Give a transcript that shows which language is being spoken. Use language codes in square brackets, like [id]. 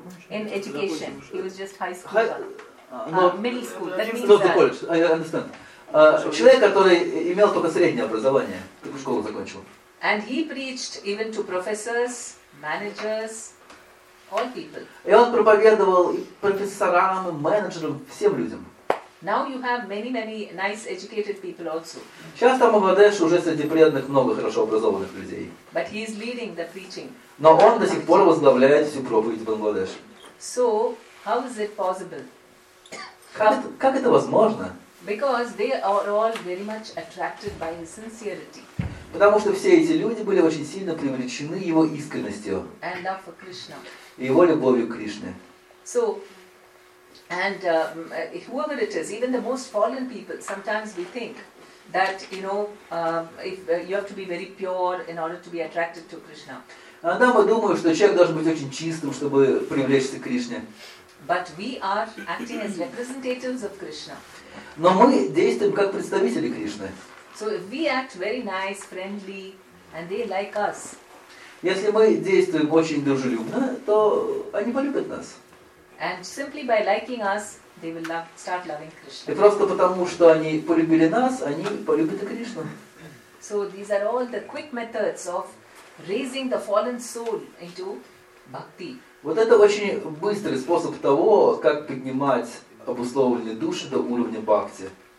[en] In education, he was just high school. Middle school. That means that. [ru] Человек, который имел только среднее образование, только школу закончил. [en] And he preached even to professors, managers, all people. [ru] И он проповедовал профессорам, менеджерам, всем людям. [en] Now you have many nice educated people also. [ru] Сейчас там в Бангладеш уже среди преданных много хорошо образованных людей. [en] But he is leading the preaching. [ru] Но он до сих пор возглавляет всю проповедь в Бангладеш. [en] So how is it possible? [ru] Как это возможно? [en] Because they are all very much attracted by his sincerity. [ru] Потому что все эти люди были очень сильно привлечены его искренностью. [en] And love for Krishna. [ru] И его любовью к Кришне. [en] So, and whoever it is, even the most fallen people, sometimes we think that you know, if you have to be very pure in order to be attracted to Krishna. [ru] Иногда мы думаем, что человек должен быть очень чистым, чтобы привлечься к Кришне. [en] But we are acting as representatives of Krishna. [ru] Но мы действуем как представители Кришны. [en] So if we act very nice, friendly, and they like us. [ru] Если мы действуем очень дружелюбно, то они полюбят нас. [en] And simply by liking us, they will start loving Krishna. [ru] И просто потому, что они полюбили нас, они полюбят и Кришну. [en] So these are all the quick methods of raising the fallen soul into bhakti. [ru] Вот это очень быстрый способ того, как поднимать обусловленные души до уровня бхакти.